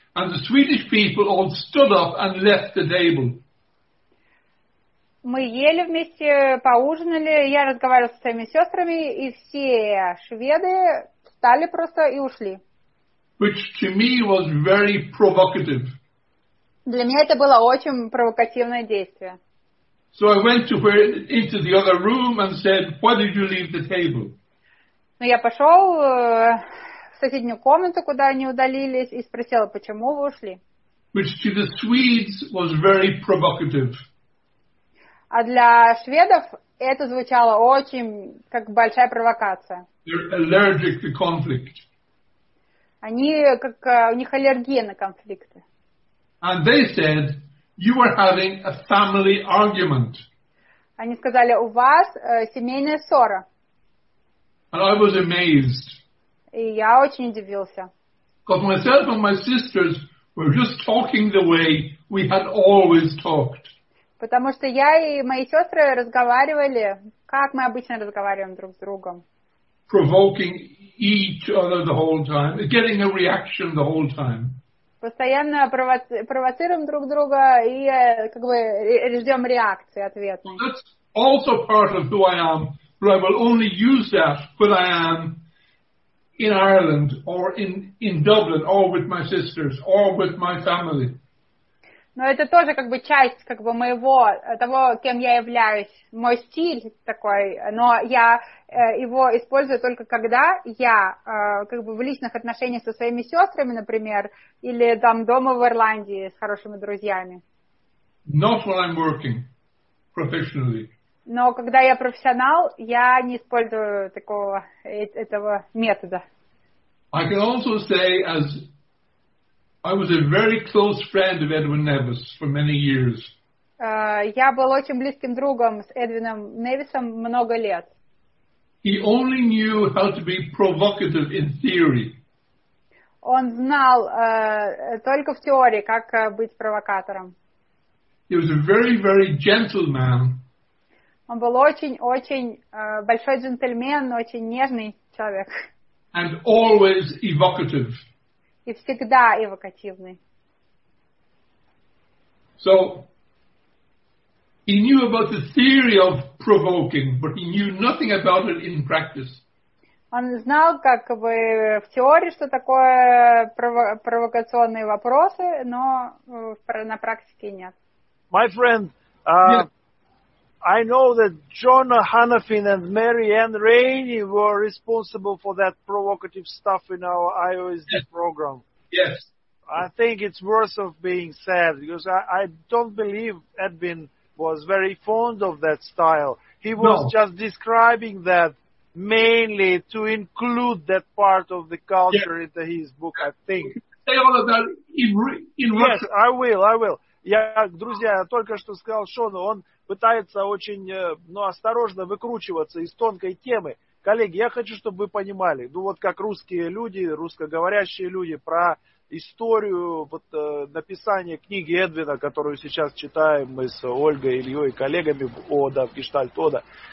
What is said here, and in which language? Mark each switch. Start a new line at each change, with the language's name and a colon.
English: And the Swedish people all stood up and left the table.
Russian: Мы ели вместе, поужинали. Я разговаривала со своими сестрами, и все шведы встали просто и ушли.
English: Which to me was very provocative.
Russian: Для меня это было очень провокативное действие.
English: So I went to where, into the other room and said, "Why did you leave the table?"
Russian: Ну я пошел в соседнюю комнату, куда они удалились, и спросила, почему вы ушли.
English: Which to the Swedes was very provocative.
Russian: А для шведов это звучало очень как большая провокация.
English: They're allergic to conflict.
Russian: Они как у них аллергия на конфликты.
English: And they said, you are having a family argument.
Russian: Они сказали, у вас семейная ссора.
English: And I was amazed.
Russian: И я очень удивился.
English: Because myself and my sisters were just talking the way we had always talked.
Russian: Потому что я и мои сестры разговаривали, как мы обычно разговариваем друг с другом.
English: Provoking each other the whole time, getting a reaction the whole time.
Russian: постоянно провоцируем друг друга и как бы ждем реакции ответной.
English: That's also part of who I am, but I will only use that when I am in Ireland or in Dublin or with my sisters or with my family.
Russian: Но это тоже как бы часть как бы моего, того, кем я являюсь, мой стиль такой, но я его использую только когда я как бы в личных отношениях со своими сестрами, например, или там дома в Ирландии с хорошими друзьями.
English: Not when I'm working professionally.
Russian: Но когда я профессионал, я не использую такого этого метода.
English: I can also say as I was a very close friend of Edwin Nevis for many years.
Russian: Я был очень близким другом с Эдвином Невисом много лет.
English: He only knew how to be provocative in theory.
Russian: Он знал только в теории, как быть провокатором.
English: He was a very, very gentle man.
Russian: Он был очень-очень большой джентльмен, очень нежный человек.
English: And always evocative.
Russian: И всегда эвокативный.
English: So, he knew about the theory of provoking, but he knew nothing about it in practice.
Russian: Он знал, как бы, в теории, что такое провокационные вопросы, но на практике нет.
English: My friend, yeah. I know that John Hanafin and Mary Ann Rainey were responsible for that provocative stuff in our IOSD yeah. program. Yes. I think it's worth of being said because I don't believe Edwin was very fond of that style. He was no. just describing that mainly to include that part of the culture yeah. into his book, I think. Say all of that in Yes, Russia. I will.
Russian: Я, друзья, только что сказал Шону, он пытается очень, ну, осторожно выкручиваться из тонкой темы. Коллеги, я хочу, чтобы вы понимали, ну вот как русские люди, русскоговорящие люди, про историю вот, написания книги Эдвина, которую сейчас читаем мы с Ольгой, Ильей и коллегами в ОДА, в Гештальт ОДА.